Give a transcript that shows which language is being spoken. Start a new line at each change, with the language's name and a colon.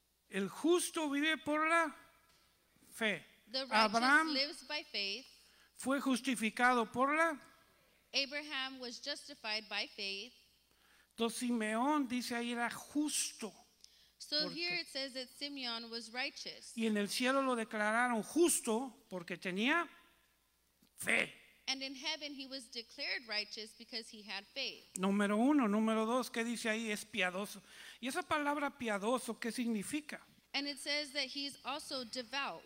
Spanish: El justo vive por la fe.
English: The righteous Abraham lives by faith.
Spanish: Fue justificado por la.
English: Abraham was justified by faith.
Spanish: Entonces Simeón dice ahí era justo.
English: So porque, here it says that Simeon was righteous.
Spanish: Y en el cielo lo declararon justo porque tenía fe.
English: And in heaven he was declared righteous because he had faith.
Spanish: Número uno, número dos, ¿qué dice ahí? Es piadoso. ¿Y esa palabra piadoso qué significa?
English: And it says that he's also devout.